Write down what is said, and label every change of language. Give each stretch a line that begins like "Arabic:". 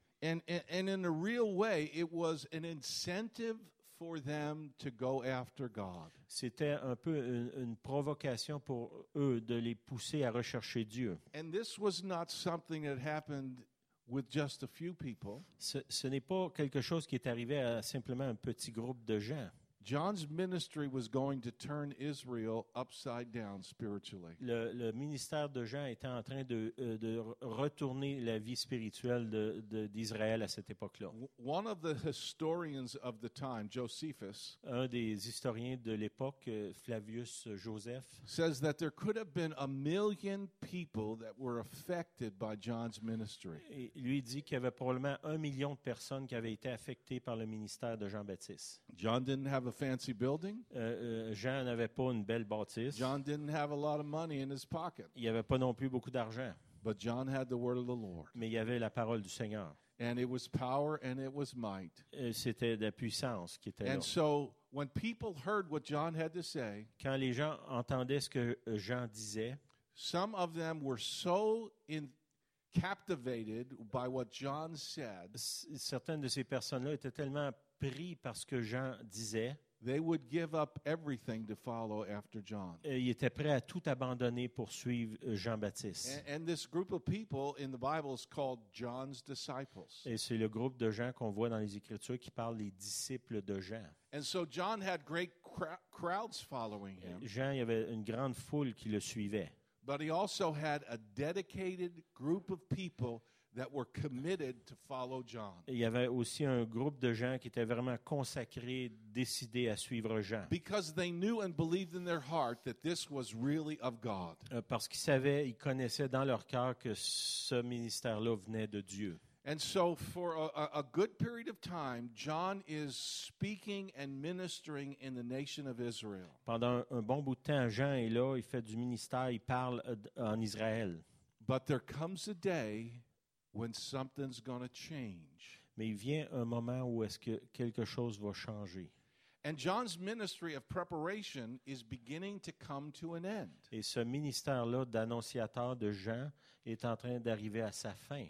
English: And in a real way, it was an incentive for them to go after God.
French: C'était un peu une provocation pour eux de les pousser à rechercher Dieu.
English: And this was not something that happened with just a few people.
French: Ce n'est pas quelque chose qui est arrivé à simplement un petit groupe de gens.
English: John's ministry was going to turn Israel upside down spiritually.
French: Le ministère de Jean était en train de retourner la vie spirituelle d'Israël à cette époque-là.
English: One of the historians of the time, Josephus,
French: un des historiens de l'époque, Flavius Joseph,
English: says that there could have been a million people that were affected by John's ministry.
French: Et lui dit qu'il y avait probablement 1 million de personnes qui avaient été affectées par le ministère de Jean-Baptiste.
English: John didn't have a fancy building.
French: Jean n'avait pas une belle bâtisse.
English: John didn't have a lot of money in his pocket.
French: Il n'avait pas non plus beaucoup d'argent.
English: But John had the word of the Lord.
French: Mais il avait la parole du Seigneur.
English: And it was power and it was might.
French: Et c'était de la puissance qui était
English: and
French: là.
English: So when people heard what John had to say,
French: quand les gens entendaient ce que Jean disait,
English: some of them were so captivated by what John said.
French: Certaines de ces personnes-là étaient tellement pris par ce que Jean disait.
English: They would give up everything to follow after John.
French: Il était prêt à tout abandonner pour suivre Jean-Baptiste.
English: And this group of people in the Bible is called John's disciples.
French: Et c'est le groupe de gens qu'on voit dans les Écritures qui parle des disciples de Jean.
English: And so John had great crowds following him.
French: Jean, il y avait une grande foule qui le suivait.
English: But he also had a dedicated group of people that were committed to follow John.
French: Il y avait aussi un groupe de gens qui étaient vraiment consacrés, décidés à suivre Jean.
English: Because they knew and believed in their heart that this was really of God.
French: Parce qu'ils savaient, ils connaissaient dans leur cœur que ce ministère-là venait de Dieu.
English: And so for a good period of time, John is speaking and ministering in the nation of Israel.
French: Pendant un bon bout de temps, Jean est là, il fait du ministère, il parle en Israël.
English: But there comes a day when something's going to change.
French: Mais il vient un moment où est-ce que quelque chose va changer.
English: And John's ministry of preparation is beginning to come to an end.
French: Et ce ministère-là d'annonciateur de Jean est en train d'arriver à sa fin.